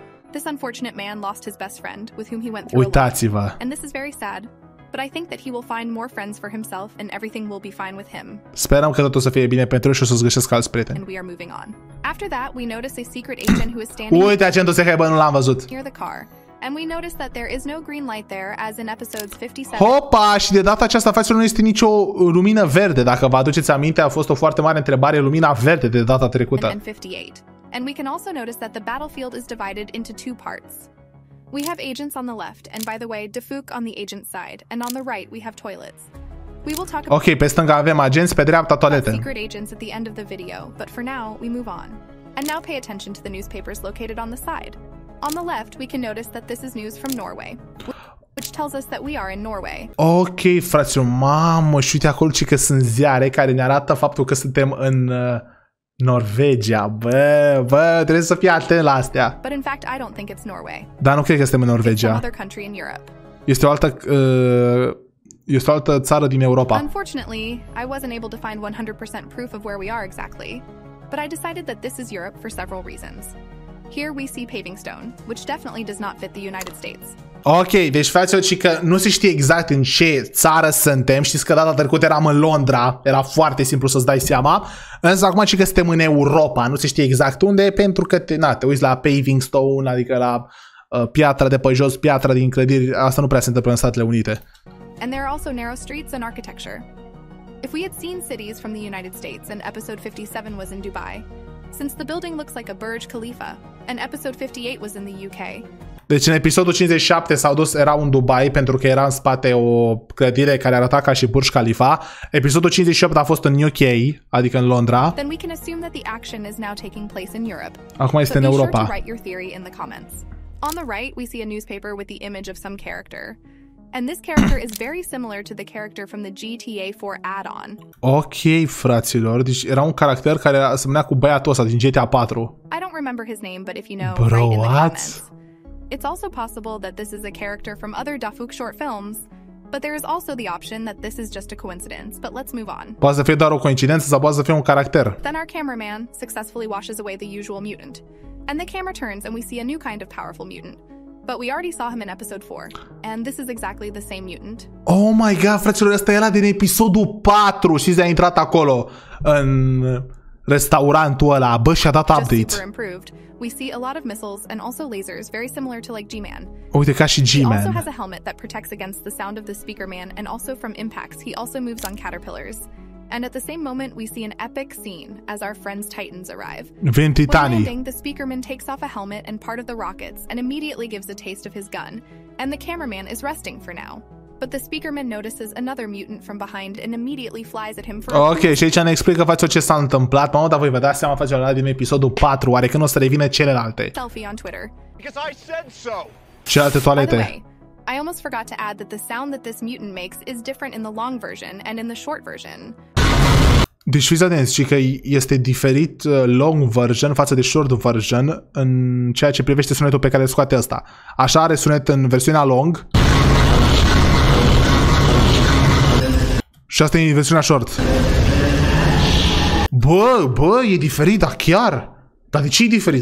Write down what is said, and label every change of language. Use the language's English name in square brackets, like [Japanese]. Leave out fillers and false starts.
[English] This unfortunate man lost his best friend with whom he went through. [Romanian] Uitați-vă. [English] And this is very sad, but I think that he will find more friends for himself and everything will be fine with him. [Romanian] Sperăm că totul să fie bine pentru el și o să-ți găsesc alți prieteni. [English] And we are moving on. After that, we notice a secret agent who is standing. [Romanian] Uite, agentul secret, bă, nu l-am văzut. [English] Near the car. And we notice that there is no green light there as in episodes 57. [Romanian] Hopa, și de data aceasta face nu este nicio lumină verde. Dacă vă aduceți aminte, a fost o foarte mare întrebare, lumina verde de data trecută. [English] And 58. And we can also notice that the battlefield is divided into two parts. We have agents on the left and by the way, Dafuk on the agent side and on the right we have toilets. We will talk about. [Romanian] Ok, pe stânga avem agenți, pe dreapta toalete. [English] Secret agents at the end of the video, but for now we move on. And now pay attention to the newspapers located on the side. On the left, we can notice that this is news from Norway. which tells us that we are in Norway. [Romanian] Ok, frate, mamă, și uite acolo ce că sunt ziare care ne arată faptul că suntem în Norvegia. Bă, bă, trebuie să fii atent la astea. [English] But in fact, I don't think it's Norway. [Romanian] Dar nu cred că suntem în Norvegia. [English] It's another country in Europe. [Romanian] Este o altă este o altă țară din Europa. [English] Unfortunately, I wasn't able to find 100% proof of where we are exactly, but I decided that this is Europe for several reasons. Here we see paving stone, which definitely does not fit the United States. [Romanian] Ok, deci fraților, și că nu se știe exact în ce țară suntem. Știți că data trecută eram în Londra. Era foarte simplu să-ți dai seama. Însă acum și că suntem în Europa. Nu se știe exact unde, pentru că te uiți la paving stone, adică la piatra de pe jos, piatra din clădiri. Asta nu prea se întâmplă în Statele Unite. [English] And there are also narrow streets and architecture. If we had seen cities from the United States and episode 57 was in Dubai, since the building looks like a Burj Khalifa, and episode 58 was in the UK. [Romanian] Deci în episodul 57 s-au dus, era un Dubai, pentru că era în spate o clădire care arăta ca și Burj Khalifa. Episodul 58 a fost în UK, adică în Londra. [English] Then we can assume that the action is now taking place in Europe. [Romanian] Acum este în Europa. [English] But be sure to write your theory in the comments. On the right, we see a newspaper with the image of some character. And this character is very similar to the character from the GTA 4 add-on. [Romanian] Ok, fraților, deci era un caracter care asemenea cu băiatul ăsta din GTA 4. [English] I don't remember his name, but if you know, write in the comments. It's also possible that this is a character from other Dafuk short films, but there is also the option that this is just a coincidence, but let's move on. [Romanian] Poate să fie doar o coincidență sau poate să fie un caracter. [English] Then our cameraman successfully washes away the usual mutant. And the camera turns and we see a new kind of powerful mutant. But we already saw him in episode 4, and this is exactly the same mutant. Oh my god, [Romanian] fraților, ăsta e ăla din episodul 4, știți, a intrat acolo, în restaurantul ăla, bă, și-a dat update. [English] Just improved. We see a lot of missiles and also lasers, very similar to like G-Man. [Romanian] Uite, ca și G-Man. [English] He also has a helmet that protects against the sound of the speaker man, and also from impacts, he also moves on caterpillars. And at the same moment, we see an epic scene as our friends Titans arrive. [Romanian] Vin Titani. [English] When landing, the speakerman takes off a helmet and part of the rockets and immediately gives a taste of his gun. And the cameraman is resting for now. But the speakerman notices another mutant from behind and immediately flies at him for [Romanian] a Okay, și aici ne explică faci ce s-a întâmplat. Mamă, dar voi vă dați seama, faci ăla din episodul 4, oare când o să revină celelalte? [English] Selfie on Twitter. Because I said so. [Romanian] Celelalte toalete. [English] I almost forgot to add that the sound that this mutant makes is different in the long version and in the short version. [Romanian] Deci fiți atenți, și că este diferit long version față de short version în ceea ce privește sunetul pe care îl scoate ăsta. Așa are sunet în versiunea long. Și asta e versiunea short. Bă, bă, e diferit, dar chiar? Dar de ce e diferit?